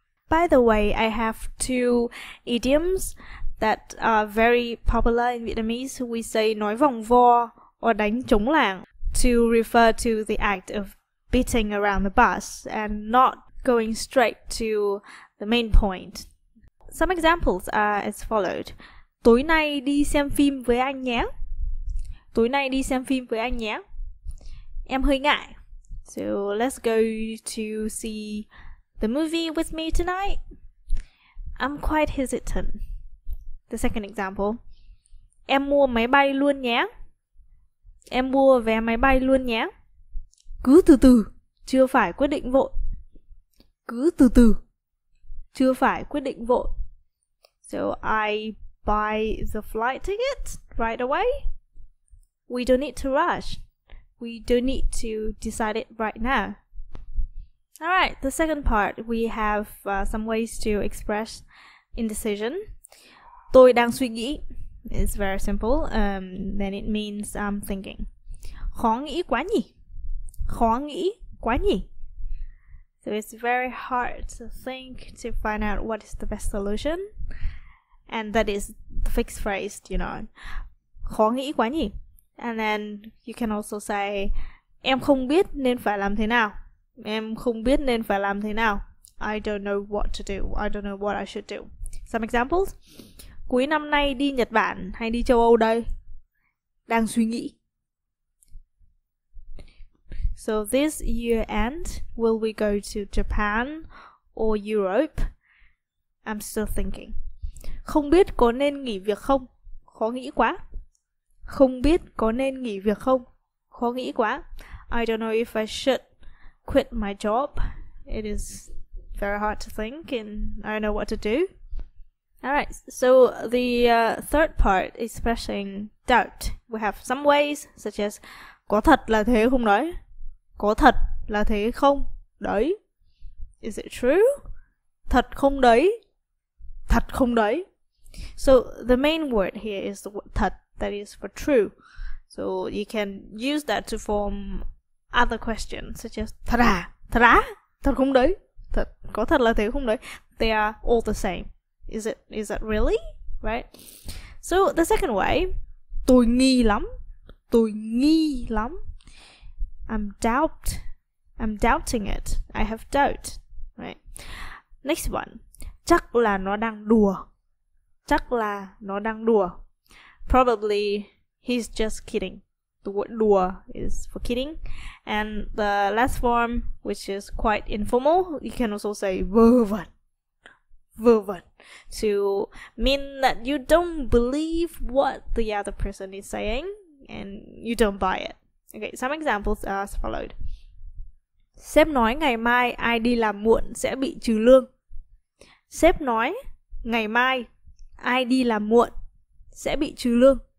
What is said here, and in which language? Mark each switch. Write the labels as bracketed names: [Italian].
[English] By the way, I have two idioms that are very popular in Vietnamese. We say [Vietnamese] nói vòng vo [English] or [Vietnamese] đánh trống làng [English] to refer to the act of beating around the bush and not going straight to the main point. Some examples are as followed. [Vietnamese] Tối nay đi xem phim với anh nhé. Tối nay đi xem phim với anh nhé. Em hơi ngại. [English] So let's go to see the movie with me tonight. I'm quite hesitant. The second example. [Vietnamese] Em mua máy bay luôn nhé. Em mua vé máy bay luôn nhé. Cứ từ từ, chưa phải quyết định vội. Cứ từ từ, chưa phải quyết định vội. [English] So I buy the flight ticket right away. We don't need to rush. We don't need to decide it right now. All right, the second part, we have some ways to express indecision. [Vietnamese] Tôi đang suy nghĩ. [English] It's very simple. Then it means I'm thinking. [Vietnamese] Khó nghĩ quá nhỉ. Khó nghĩ quá nhỉ. [English] So it's very hard to think to find out what is the best solution. And that is the fixed phrase, you know. [Vietnamese] Khó nghĩ quá nhỉ. [English] And then you can also say [Vietnamese] em không biết nên phải làm thế nào. Em không biết nên phải làm thế nào. [English] I don't know what to do. I don't know what I should do. Some examples. [Vietnamese] Cuối năm nay đi Nhật Bản hay đi châu Âu đây? Đang suy nghĩ. [English] So this year end, will we go to Japan or Europe? I'm still thinking. [Vietnamese] Không biết có nên nghỉ việc không? Khó nghĩ quá. Không biết có nên nghỉ việc không? Khó nghĩ quá. [English] I don't know if I should quit my job. It is very hard to think and I don't know what to do. Alright, so the third part, expressing doubt. We have some ways, such as [Vietnamese] có thật là thế không đấy? Có thật là thế không đấy? [English] Is it true? [Vietnamese] Thật không đấy? Thật không đấy? [English] So the main word here is the word thật, that is for true. So you can use that to form other questions such as [Vietnamese] thật à, thật à, thật không đấy, thật, có thật là thế không đấy. [English] They are all the same. Is it really? Right? So the second way, [Vietnamese] tôi nghi lắm, tôi nghi lắm. [English] I'm doubting it. I have doubt. Right? Next one, [Vietnamese] chắc là nó đang đùa. Chắc là nó đang đùa. [English] Probably he's just kidding. The word đùa is for kidding. And the last form, which is quite informal, you can also say [Vietnamese] vơ vẩn. Vơ vẩn. [English] To mean that you don't believe what the other person is saying and you don't buy it. Okay, some examples are as followed. [Vietnamese] Sếp nói ngày mai ai đi làm muộn sẽ bị trừ lương. Sếp nói ngày mai ai đi làm muộn sẽ bị trừ lương.